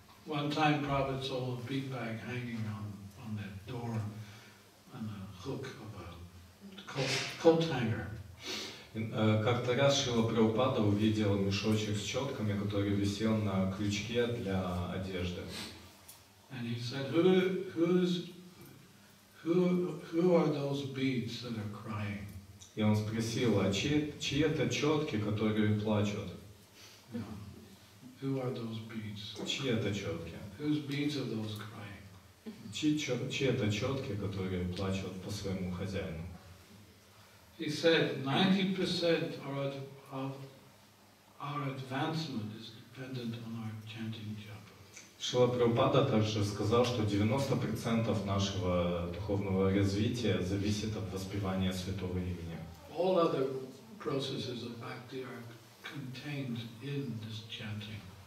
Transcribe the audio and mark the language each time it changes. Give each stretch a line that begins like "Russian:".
English: One time Prabhupada saw a beat bag hanging on that door on a hook of a coat hanger.
Russian: Как-то раз Шрила Прабхупада увидел мешочек с четками, который висел на крючке для одежды.
English: And he said, who are those beads that are crying?
Russian: И он спросил, а чьи это четки, которые плачут?
English: Yeah. Who are those beads?
Russian: Чьи это четки?
English: Whose beads are those crying?
Russian: Чьи это четки, которые плачут по своему хозяину?
English: He said, 90% of our advancement is dependent on our chanting japa.
Russian: Шрила Прабхупада также сказал, что 90% нашего духовного развития зависит от воспевания святого имени.
English: All other processes of bhakti are contained in this chanting.